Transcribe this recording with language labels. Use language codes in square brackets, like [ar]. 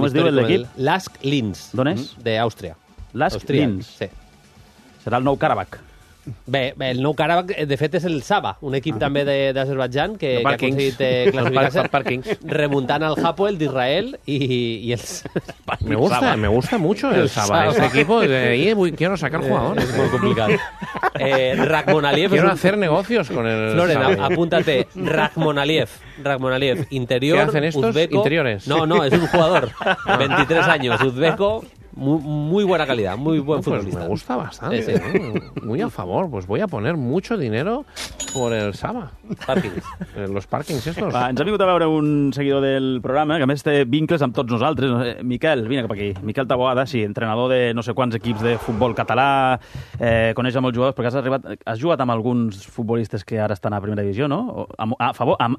[ca] històric. Com es diu l'equip? L'Ask Linz. D'on és? D'Àustria. L'Ask Linz. Sí. Serà el nou Karabakh. Bé, el nou Karabakh, de fet, és el Saba, un equip també d'Azerbaidjan que ha aconseguit classificar-se remuntant al Hapoel d'Israel i els... [es] Me gusta, me gusta mucho el Saba. Este equipo, quiero sacar jugadores. Es muy complicado. Rakhmonaliev. Quiero hacer negocios con el Floren, Saba. Apúntate. Rakhmonaliev. Rakhmonaliev. Interior. ¿Qué hacen estos? Uzbeko. Interiores. No, no, es un jugador. 23 años. Uzbeko. Muy, muy buena calidad, muy buen futbolista. Pues me gusta bastante. Sí, sí. ¿No? Muy a favor. Pues voy a poner mucho dinero por el Saba. Parkings. Los parkings estos. [ca] Va, ens ha vingut a veure un seguidor del programa, que a més té vincles amb tots nosaltres. Miquel, vine cap aquí. Miquel Taboada, sí, entrenador de no sé quants equips de futbol català, coneix molts jugadors, perquè has jugat amb alguns futbolistes que ara estan a primera divisió, no? A favor, amb